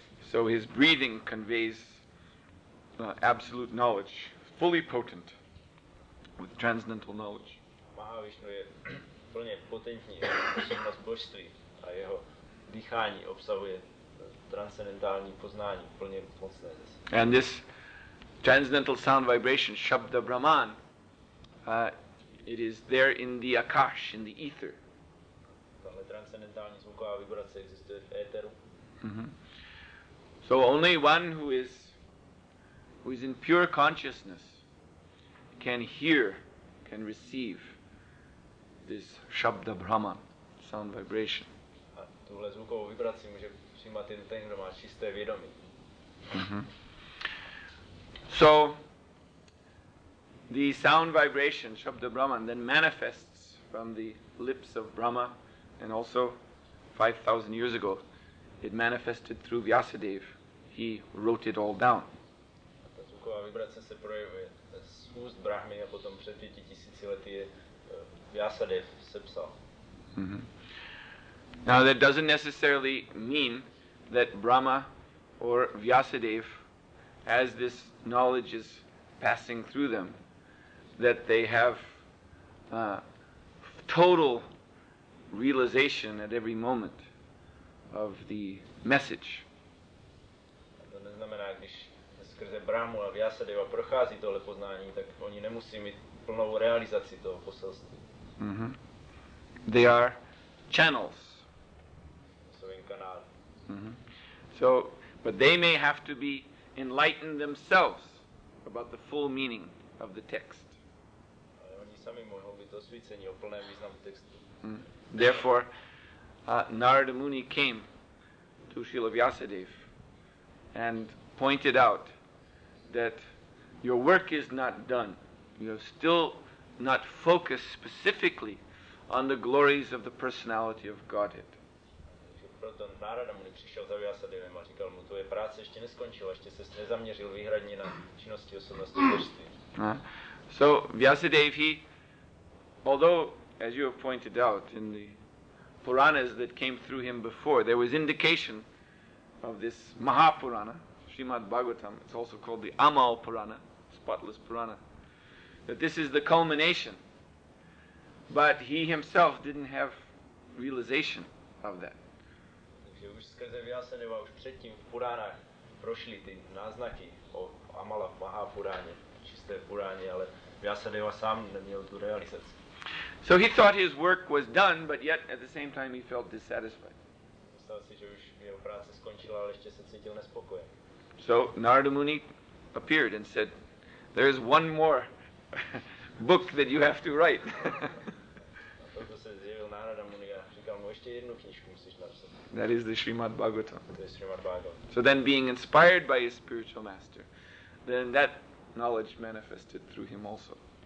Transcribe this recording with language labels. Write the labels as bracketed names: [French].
[English] So his breathing conveys absolute knowledge, fully potent, with transcendental knowledge. [Czech] Mahavishnu je plně potentní osobnost božství a jeho dýchání obsahuje transcendentální poznání plně mocné. [English] And this transcendental sound vibration, Shabda Brahman, it is there in the Akash, in the ether. [Czech] Tahle transcendentální zvuková vibrace existuje v éteru. [English] So only one who is in pure consciousness can hear, can receive this Shabda Brahman, sound vibration. [Czech] A tuhle zvukovou vibraci může přijímat jen ten, kdo má čisté vědomí. [English] So the sound vibration, Shabda Brahman, then manifests from the lips of Brahma, and also 5,000 years ago it manifested through Vyasadev. He wrote it all down. [Czech] Ta zvuková vibrace se projevuje z úst Brahmy a potom před 5000 lety je Vyasadev sepsal. [English] Now that doesn't necessarily mean that Brahma or Vyasadev, as this knowledge is passing through them, that they have total realization at every moment of the message. [Czech] To neznamená, když skrze Brahmu a Vyasadeva prochází tohle poznání, tak oni nemusí mít plnou realizaci toho poselství. [English] They are channels. [Czech] Jsou jen kanály. [English] So, but they may have to be enlighten themselves about the full meaning of the text. [Czech] Oni sami mohou být osvíceni o plném významu textu. [English] Therefore, Narada Muni came to Srila Vyasadev and pointed out that your work is not done. You have still not focused specifically on the glories of the personality of Godhead. [Czech] Proto Narada Muni přišel za Vyasadevem a říkal mu, tvoje práce ještě neskončila, ještě se nezaměřil výhradně na činnosti osobnosti božství. [English] So Vyasadev, he, although, as you have pointed out, in the Puranas that came through him before, there was indication of this Mahapurana, Srimad Bhagavatam, it's also called the Amal Purana, spotless Purana, that this is the culmination. But he himself didn't have realization of that. [Czech] Už skrze Vyasadeva už předtím v Puránách prošly ty náznaky o Amala Mahapuráně, čisté Puráně, ale Vyasadeva sám neměl tu realizaci. [English] So he thought his work was done, but yet at the same time he felt dissatisfied. [Czech] Myslel si, že už jeho práce skončila, ale ještě se cítil nespokojen. [English] So Narada Muni appeared and said, there is one more book that you have to write. [Czech] A toto se zjevil Narada Muni a říkal mu, ještě jednu knižku musíš napsat. [English] That is the Srimad Bhagavatam. [Czech] Bhagavatam. [English] So then being inspired by his spiritual master, then that knowledge manifested through him also.